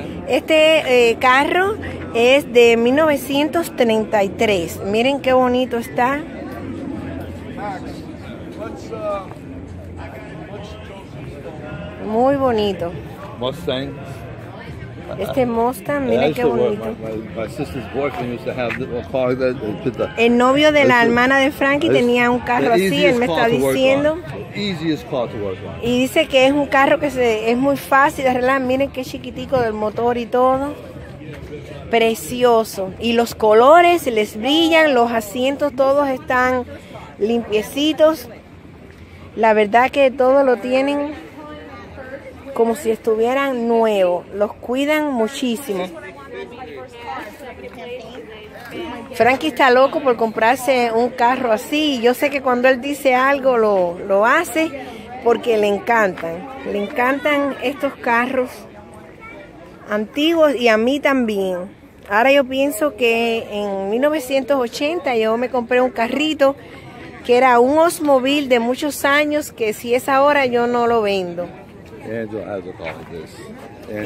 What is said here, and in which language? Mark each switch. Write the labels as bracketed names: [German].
[Spanish] Este carro es de 1933. Miren qué bonito está. [English] Max, let's [Spanish] muy bonito. Mustang. Este Mustang, mire qué bonito. [English] My sister's boyfriend used to have a car that put the. [Spanish] El novio de la hermana de Frankie tenía un carro así, él me está diciendo. [English] Easiest car to work on. [Spanish] Y dice que es un carro que es muy fácil de arreglar. Miren qué chiquitico del motor y todo. Precioso. Y los colores les brillan, los asientos todos están limpiecitos. La verdad que todo lo tienen como si estuvieran nuevo. Los cuidan muchísimo. Frankie está loco por comprarse un carro así. Yo sé que cuando él dice algo lo hace porque le encantan. Le encantan estos carros antiguos y a mí también. Ahora yo pienso que en 1980 yo me compré un carrito que era un Oldsmobile de muchos años, que si es ahora yo no lo vendo. [English] Angela has a car like this.